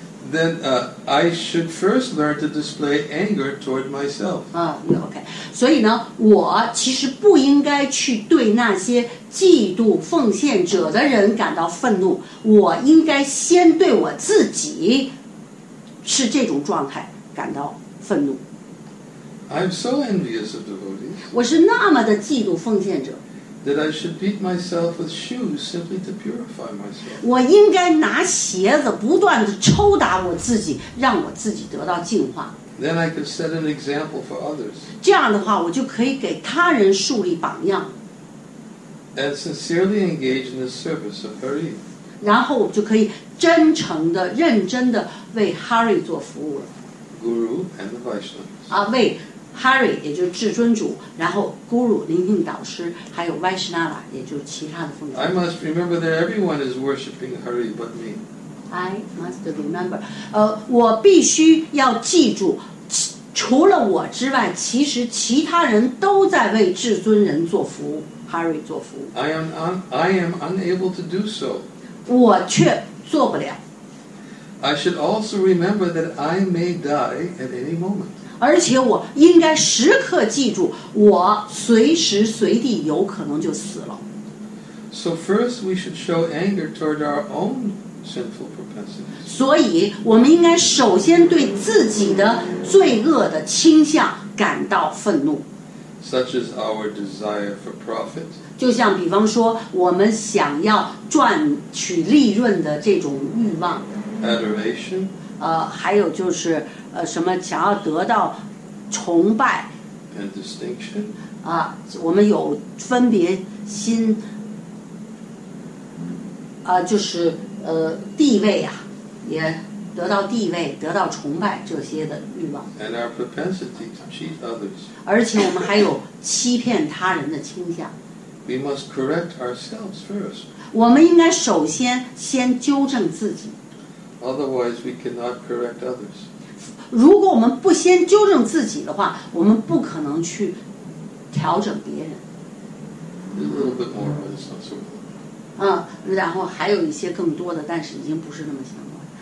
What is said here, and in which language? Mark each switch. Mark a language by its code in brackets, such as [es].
[en] Then I should first learn to display anger toward myself. Okay. [zh] 所以呢，我其实不应该去对那些嫉妒奉献者的人感到愤怒，我应该先对我自己是这种状态感到愤怒。 [en] I'm so envious of devotees. [zh] 我是那么的嫉妒奉献者。 [en] That I should beat myself with shoes simply to purify myself. [zh] 我应该拿鞋子不断地抽打我自己，让我自己得到净化。 [en] Then I could set an example for others. [zh] 这样的话，我就可以给他人树立榜样。 [en] And sincerely engage in the service of Hari. [zh] 然后我就可以真诚地、认真地为 Hari 做服务了。 [en] Guru and the Vaishnavas. [zh] 啊，为Hari 也就是至尊主，然后 Guru 灵性导师，还有 Vaishnava 也就是其他的奉献。 [en] I must remember that everyone is worshipping Hari but me. I must remember， [zh] 我必须要记住，除了我之外，其实其他人都在为至尊人做服务 ，Hari 做服务。 [en] I am unable to do so. [zh] 我却做不了。 [en] I should also remember that I may die at any moment. [zh] 而且我应该时刻记住，我随时随地有可能就死了。 [en] So first, we should show anger toward our own sinful propensities. [zh] 所以我们应该首先对自己的罪恶的倾向感到愤怒。 [en] such as our desire for profit. [zh] 就像比方说我们想要赚取利润的这种欲望。 [en] Adoration. [zh] 还有就是什么想要得到崇拜。 [en] And distinction. [zh] 我们有分别心。就是地位啊，也得到地位，得到崇拜这些的欲望。 [en] And our propensity to cheat others. [zh] 而且我们还有欺骗他人的倾向。 [en] We must correct ourselves first. [zh] 我们应该首先先纠正自己。 [en] Otherwise, we cannot correct others. [zh] 如果我们不先纠正自己的话，我们不可能去调整别人。 [en] A little bit more, but it's not so good. [zh] 然后还有一些更多的，但是已经不是那么相关。